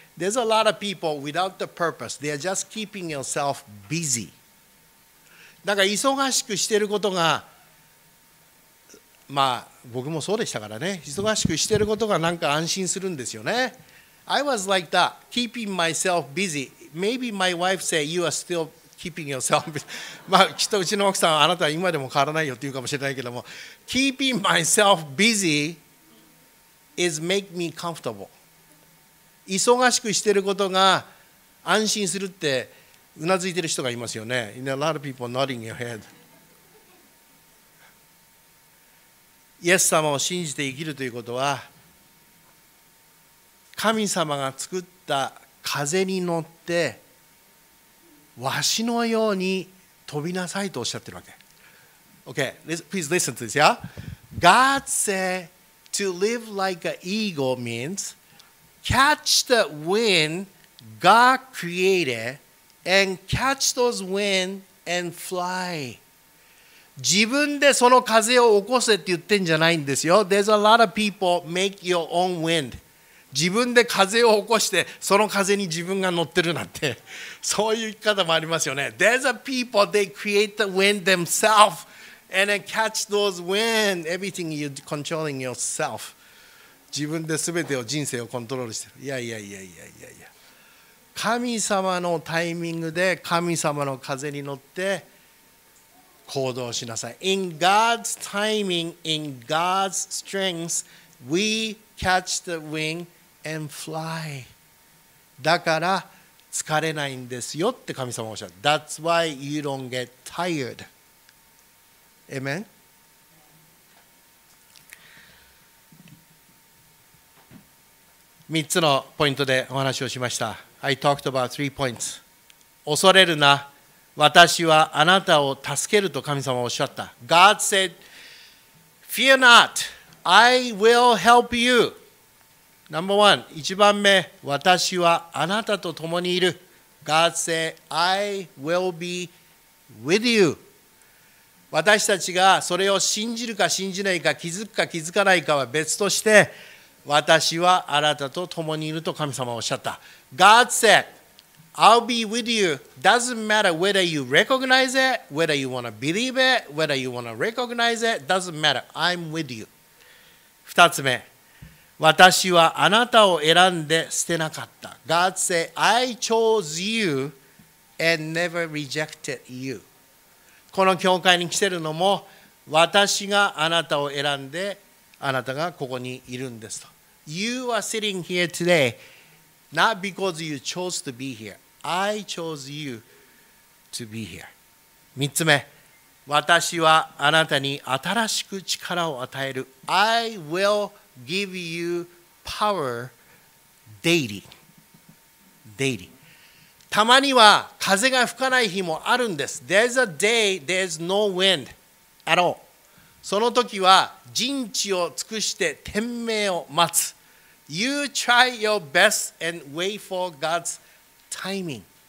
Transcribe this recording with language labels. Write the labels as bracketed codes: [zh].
[en] There's a lot of people without the purpose. They're just keeping yourself busy. [ja] だから忙しくしてることが、まあ僕もそうでしたからね。忙しくしてることがなんか安心するんですよね。 [en] I was like that, keeping myself busy. Maybe my wife said you are still keeping yourself busy. [ja] まあきっとうちの奥さんはあなたは今でも変わらないよって言うかもしれないけども、 [en] keeping myself busy is make me comfortable. [ja] 忙しくしていることが安心するってうなずいている人がいますよね。 [en] A lot of people nodding your head. [ja] イエス様を信じて生きるということは、神様が作った風に乗ってわしのように飛びなさいとおっしゃってるわけ。 [en] Okay, please listen to this, yeah? God said to live like an eagle means... Catch the wind God created and catch those wind and fly. [ja] 自分でその風を起こせって言ってんじゃないんですよ。 [en] There's a lot of people make your own wind. [ja] 自分で風を起こしてその風に自分が乗ってるなんて、そういう言い方もありますよね。 [en] There's a people they create the wind themselves and then catch those wind. Everything you're controlling yourself. [ja] 自分で全てを人生をコントロールしてる。いやいやいやいやいやいや。神様のタイミングで神様の風に乗って行動しなさい。 [en] In God's timing, in God's strength, we catch the wind and fly. [ja] だから疲れないんですよって神様おっしゃる。 [en] That's why you don't get tired. Amen? [ja] 3つのポイントでお話をしました。 [en] I talked about three points. [ja] 恐れるな、私はあなたを助けると神様はおっしゃった。 [en] God said, Fear not, I will help you. Number one, [ja] 一番目、私はあなたと共にいる。 [en] God said, I will be with you. [ja] 私たちがそれを信じるか信じないか、気づくか気づかないかは別として、私はあなたと共にいると神様はおっしゃった。 [en] God said, I'll be with you. Doesn't matter whether you recognize it, whether you want to believe it, whether you want to recognize it, doesn't matter. I'm with you. [ja] 二つ目、私はあなたを選んで捨てなかった。 [en] God said, I chose you and never rejected you. [ja] この教会に来てるのも、私があなたを選んであなたがここにいるんですと。 [en] You are sitting here today, not because you chose to be here. I chose you to be here. [ja] 三つ目、私はあなたに新しく力を与える。 [en] I will give you power daily. Daily. [ja] たまには風が吹かない日もあるんです。 [en] There's a day there's no wind at all. [ja] その時は人知を尽くして天命を待つ。 [en] You try your best and wait for God's timing.